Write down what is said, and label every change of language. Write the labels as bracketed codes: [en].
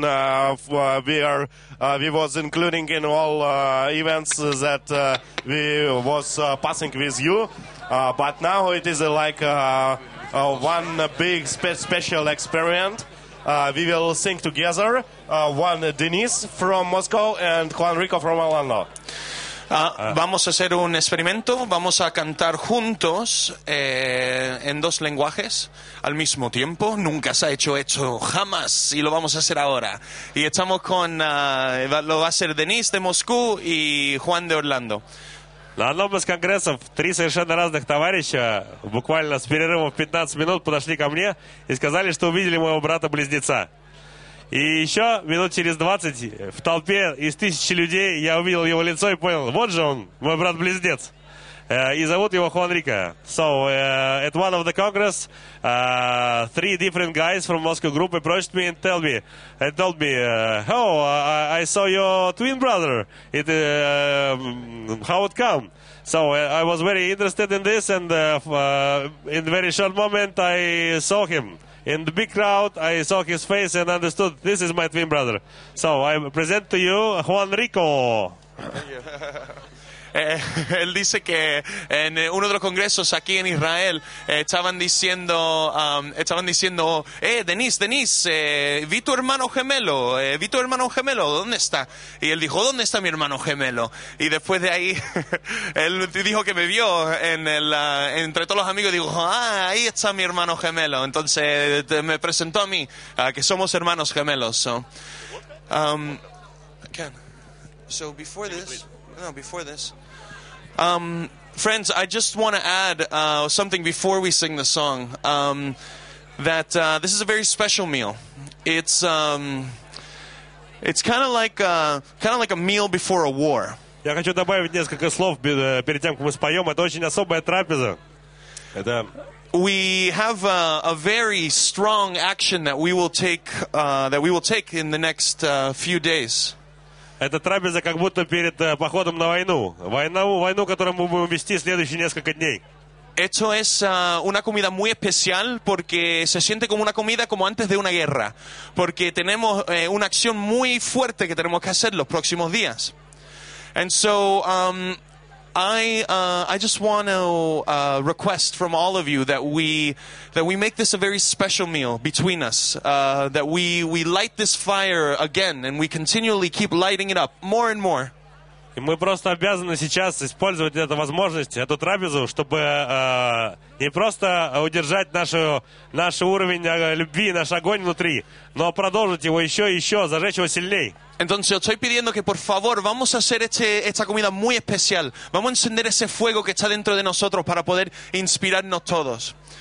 [en] We was including in all events that we was passing with you. But now it is like one big special experiment. We will sing together. One Denise from Moscow and Juan Rico from Orlando. [es] Vamos a hacer un experimento. Vamos a cantar juntos en dos lenguajes al mismo tiempo. Nunca se ha hecho jamás, y lo vamos a hacer ahora. Y estamos con lo va a hacer Denis de Moscú y Juan de Orlando. [ru] На одном из конгрессов три совершенно разных товарища буквально с перерывом в 15 минут подошли ко мне и сказали, что увидели моего брата-близнеца. И еще минут через 20 в толпе из тысячи людей я увидел его лицо и понял, вот же он, мой брат-близнец. И зовут его Хуан Рико. [en] So, at one of the congress, three different guys from Moscow group approached me and told me, I saw your twin brother. How it come? So I was very interested in this, and in a very short moment I saw him. In the big crowd, I saw his face and understood, this is my twin brother. So I present to you Juan Rico. [es] Él dice que en uno de los congresos aquí en Israel estaban diciendo, Denis, vi tu hermano gemelo, ¿dónde está? Y él dijo, ¿dónde está mi hermano gemelo? Y después de ahí, él dijo que me vio entre todos los amigos, dijo, ahí está mi hermano gemelo. Entonces me presentó a mí, que somos hermanos gemelos. [en] Ken, so before this, Friends, I just want to add something before we sing the song. That this is a very special meal. It's kind of like a meal before a war. [ru] Я хочу добавить несколько слов перед тем, как мы споем. Это очень особая трапеза. Это... [en] We have a very strong action that we will take in the next few days. [ru] Это трапеза как будто перед походом на войну. Войну, которую мы будем вести следующие несколько дней. [es] Esto es una comida muy especial porque se siente como una comida como antes de una guerra. Porque tenemos una acción muy fuerte que tenemos que hacer los próximos días. [en] And so I just want to request from all of you that we make this a very special meal between us, that we light this fire again and we continually keep lighting it up more and more. [ru] И мы просто обязаны сейчас использовать эту возможность, эту трапезу, чтобы не просто удержать наш уровень любви, наш огонь внутри, но продолжить его еще и еще, зажечь его сильней. [es] Entonces, estoy pidiendo que, por favor, vamos a hacer esta comida muy especial. Vamos a encender ese fuego que está dentro de nosotros para poder inspirarnos todos.